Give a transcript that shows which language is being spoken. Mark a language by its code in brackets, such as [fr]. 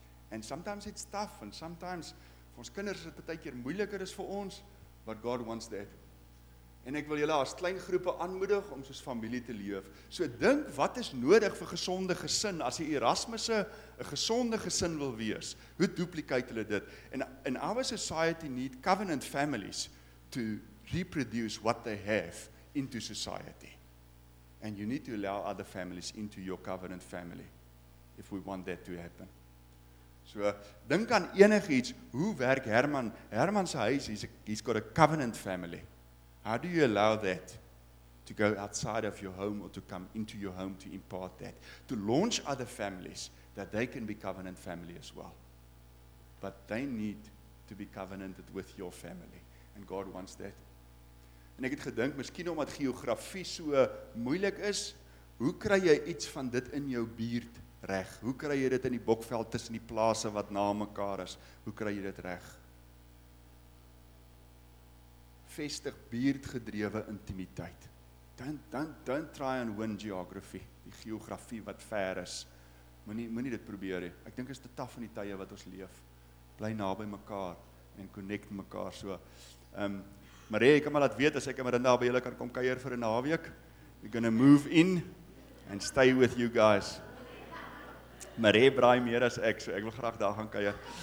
[en] And sometimes it's tough, and sometimes [af] vir ons kinders is dit partykeer moeiliker as vir ons, [en] but God wants that. [af] En ek wil julle as klein groepe aanmoedig om soos familie te leef. So dink wat is nodig vir gesonde gesin as jy Erasmusse 'n gesonde gesin wil wees. Hoe duplicate hulle dit? [en] And in our society need covenant families to reproduce what they have into society. And you need to allow other families into your covenant family if we want that to happen. So dink aan enigiets, hoe werk Herman se huis? He's got a covenant family. How do you allow that to go outside of your home or to come into your home to impart that? To launch other families that they can be covenant family as well. But they need to be covenanted with your family. And God wants that. [af] En ek het gedink, miskien omdat geografie so moeilik is, hoe kry jy iets van dit in jou buurt reg? Hoe kry jy dit in die bokveld tussen die plase wat na mekaar is? Hoe kry jy dit reg? Vestig buurtgedrewe intimiteit. [en] Don't try and win geography, [af] die geografie wat ver is. Moenie dit probeer nie. Ek dink is te taaf in die tye wat ons leef. Bly naby mekaar en connect mekaar so. Marie, jy kan maar laat weet as ek en Marinda by julle kan kom kuier vir 'n naweek. [en] We're going to move in and stay with you guys. [af] Marie braai meer as ek, so ek wil graag daar gaan kuier.